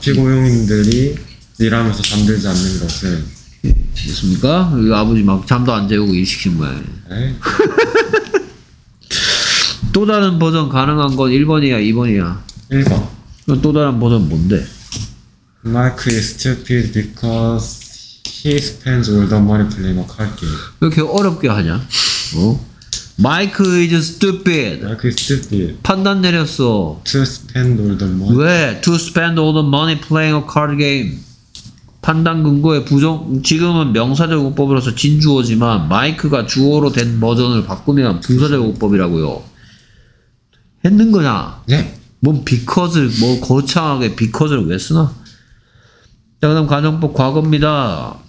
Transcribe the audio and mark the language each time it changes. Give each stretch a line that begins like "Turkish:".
Korean: 피고용인들이 일하면서 잠들지 않는 것은 무슨입니까? 아버지 막 잠도 안 재우고 일 시킨 거야. 또 다른 버전 가능한 건 1번이야, 2번이야. 1번. 또 다른 버전 뭔데?
English: Mike is stupid because he spends all the money playing a card game.
Korean: 왜 이렇게 어렵게 하냐? 어?
English: Mike is stupid. Mike is stupid.
Korean: 판단 내렸어.
English: To spend all the money.
Korean: 왜?
English: To spend all the money playing a card game.
Korean: 판단 근거에 부정, 지금은 명사절곡법으로서 진주어지만, Mike가 주어로 된 버전을 바꾸면 부사절곡법이라고요. 했는 거냐? 네. 뭔 because를, 뭐 거창하게 because를 왜 쓰나? 자, 그럼 가정법 과거입니다.